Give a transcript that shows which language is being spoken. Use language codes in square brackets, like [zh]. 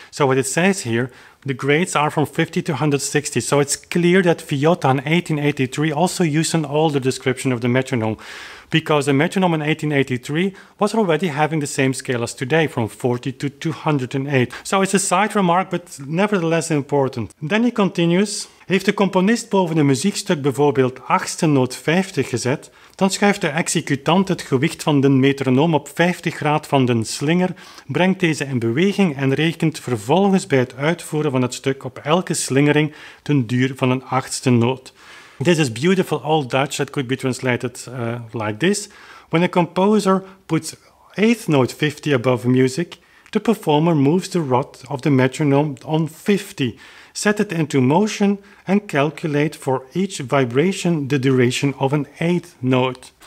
[en] So what it says here, the grades are from 50 to 160. So it's clear that Viotta in 1883 also used an older description of the metronome, because the metronome in 1883 was already having the same scale as today, from 40 to 208. So it's a side remark, but nevertheless important. Then he continues. [nl] Heeft de componist boven een muziekstuk bijvoorbeeld achtste noot 50 gezet, dan schuift de executant het gewicht van de metronoom op 50 graad van de slinger, brengt deze in beweging en rekent vervolgens bij het uitvoeren van het stuk op elke slingering ten duur van een achtste noot. [en] This is beautiful old Dutch that could be translated like this. When a composer puts eighth note 50 above music, the performer moves the rod of the metronome on 50, set it into motion and calculate for each vibration the duration of an eighth note.